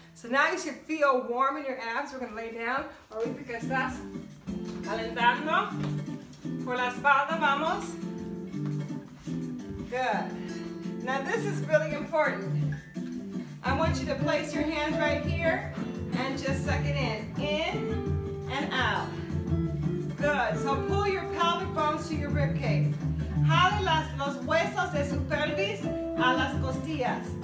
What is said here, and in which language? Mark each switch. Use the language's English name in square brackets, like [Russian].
[English] Now you should feel warm in your abs. We're gonna lay down. [Spanish] Ahorita que estás calentando por la espalda, vamos. [English] Good. Now this is really important. I want you to place your hands right here and just suck it in and out. Good. So pull your pelvic bones to your ribcage. [Spanish] Jale los huesos de su pelvis a las costillas.